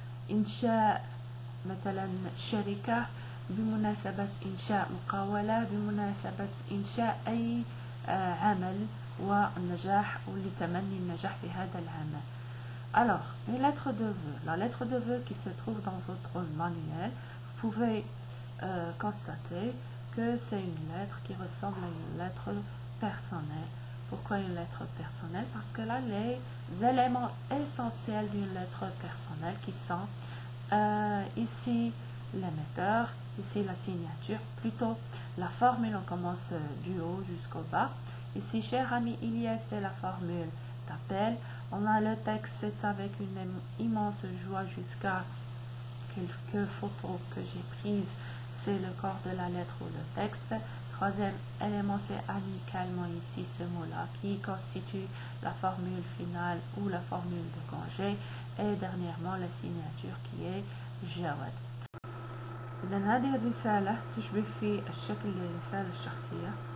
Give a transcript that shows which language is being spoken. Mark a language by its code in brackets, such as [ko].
[ar] إنشاء مثلا شركة، بمناسبة إنشاء مقاولة، بمناسبة إنشاء أي عمل والنجاح ولتمني النجاح في هذا العمل. [fr] Alors, une lettre de vœux. La lettre de vœux qui se trouve dans votre manuel, vous pouvez constater que c'est une lettre qui ressemble à une lettre personnelle. Pourquoi une lettre personnelle? Parce que là, les éléments essentiels d'une lettre personnelle qui sont ici l'émetteur, ici la signature, plutôt la formule, on commence du haut jusqu'au bas. Ici, cher ami Ilyes, c'est la formule d'appel. On a le texte, c'est avec une immense joie jusqu'à quelques photos que j'ai prises. C'est le corps de la lettre ou le texte. Troisième élément, c'est amicalement ici ce mot-là qui constitue la formule finale ou la formule de congé. Et dernièrement, la signature qui est Jawad. [ar] إذن هذه الرسالة تشبه في الشكل للرسالة الشخصية.